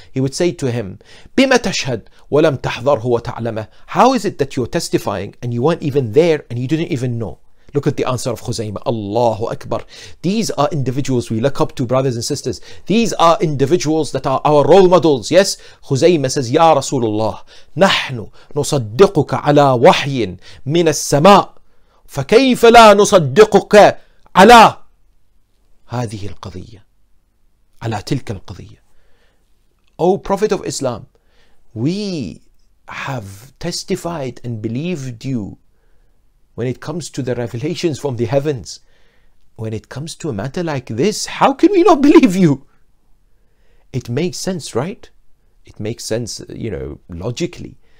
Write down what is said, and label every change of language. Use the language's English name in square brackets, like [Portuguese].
[English] He would say to him, [Arabic] بِمَ تَشْهَدْ وَلَمْ تَحْضَرْهُ وَتَعْلَمَهُ. [English] How is it that you're testifying and you weren't even there and you didn't even know? Look at the answer of Khuzaymah. Allahu Akbar. These are individuals we look up to, brothers and sisters. These are individuals that are our role models. Yes, Khuzaymah says, [Arabic] Ya Rasulullah, نحن نصدقك على وحي من السماء فكيف لا نصدقك على هذه القضية على تلك القضية. [English] O Prophet of Islam, we have testified and believed you when it comes to the revelations from the heavens. When it comes to a matter like this, how can we not believe you? It makes sense, right? It makes sense, you know, logically.